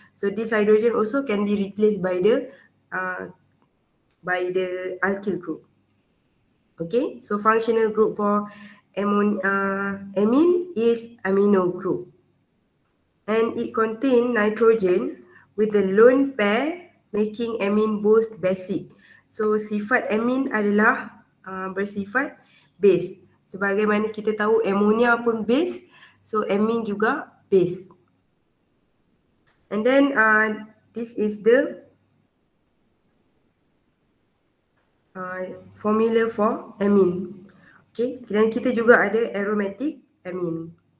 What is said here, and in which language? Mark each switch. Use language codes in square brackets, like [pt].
[en] So this hydrogen also can be replaced by the alkyl group. Okay, so functional group for amine is amino group, and it contain nitrogen with the lone pair making amine both basic. [id] So sifat amine adalah bersifat base. Sebagaimana kita tahu ammonia pun base, so amine juga base. [en] And then this is the formula for amine. [id] Okay, dan kita juga ada aromatic amine.